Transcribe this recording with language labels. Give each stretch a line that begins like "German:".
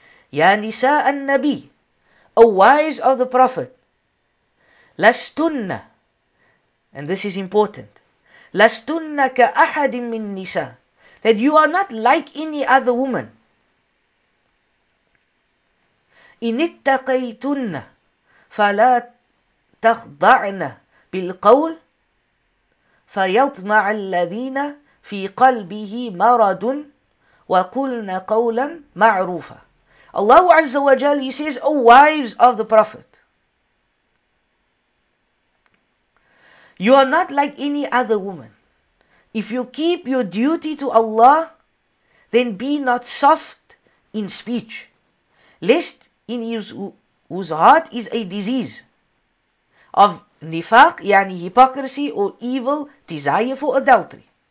Arabic: Ya Nisa al-Nabi,
English: O wives of the Prophet,
Arabic: lastunna,
English: and this is important,
Arabic: lastunna ka ahadin min nisa,
English: that you are not like any other woman.
Arabic: Inittaqaytunna fala takhda'na bil qawl فَيَطْمَعَ الَّذِينَ فِي قَلْبِهِ مَرَضٌ وَقُلْنَ قَوْلًا مَعْرُوفًا.
English: Allah Azza wa Jal, He says, O wives of the Prophet, you are not like any other woman. If you keep your duty to Allah, then be not soft in speech, lest in his whose heart is a disease of nifaq, yani hypocrisy or evil desire for adultery.